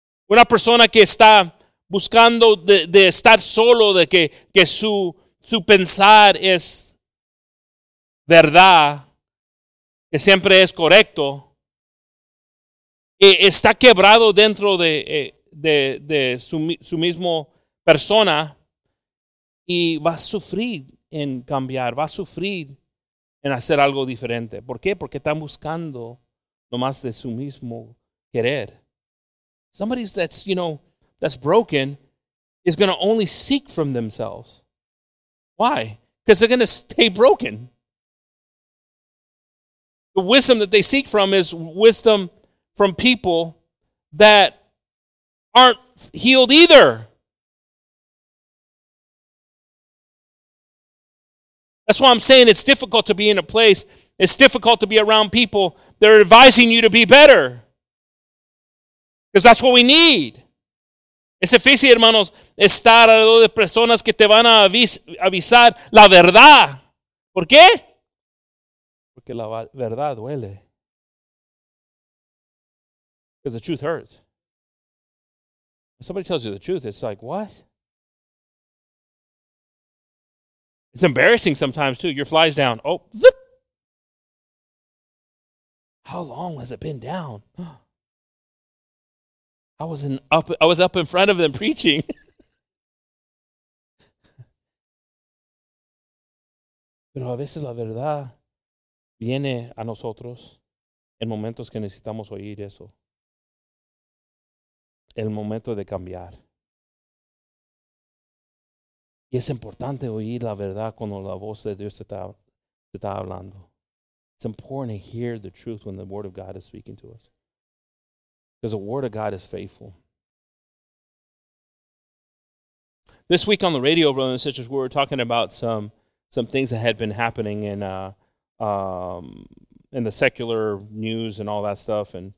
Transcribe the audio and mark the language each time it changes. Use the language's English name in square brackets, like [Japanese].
[Spanish] Una persona que está buscando de estar solo, de que su pensar es verdad, que siempre es correcto, que está quebrado dentro de su mismo persona, y va a sufrir en cambiar, va a sufrir en hacer algo diferente. ¿Por qué? Porque están buscando nomás de su mismo querer. [English] Somebody that's, you know, that's broken is going to only seek from themselves. Why? Because they're going to stay broken. The wisdom that they seek from is wisdom from people that aren't healed either. That's why I'm saying it's difficult to be in a place, it's difficult to be around people that are advising you to be better. Because that's what we need. [Spanish] Es difícil, hermanos, estar al lado de personas que te van a avisar la verdad. ¿Por qué? Porque la verdad duele. [English] Because the truth hurts. When somebody tells you the truth, it's like, what? It's embarrassing sometimes, too. Your fly's down. Oh, zip. How long has it been down? I was up in front of them preaching. [Spanish] Pero a veces la verdad viene a nosotros en momentos que necesitamos oír eso. El momento de cambiar. Y es importante oír la verdad cuando la voz de Dios te está hablando. [English] It's important to hear the truth when the word of God is speaking to us. Because the word of God is faithful. This week on the radio, brothers and sisters, we were talking about some things that had been happening in the secular news and all that stuff.